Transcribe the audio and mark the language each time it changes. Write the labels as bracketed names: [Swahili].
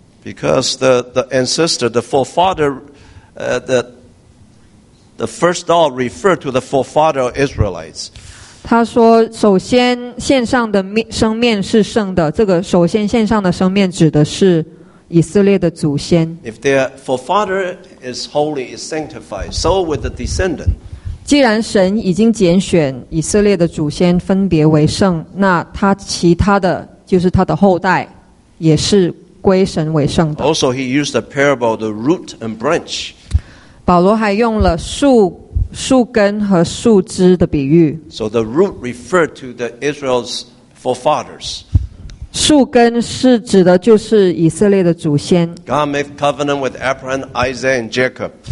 [English] Because the ancestor, the forefather, the first doll referred to the forefather Israelites. [Chinese] 他说，首先献上的生面是圣的，这个首先献上的生面指的是。以色列的祖先 [English] If their forefather is holy, is sanctified, so with the descendant. [Chinese] 既然神已经拣选以色列的祖先分别为圣，那他其他的就是他的后代也是归神为圣的。 [English] Also, he used the parable of the root and branch. [Chinese] 保罗还用了树根和树枝的比喻。 [English] So the root referred to the Israel's forefathers. [Chinese] 树根是指的就是以色列的祖先。 [English] God made covenant with Abraham, Isaac, and Jacob.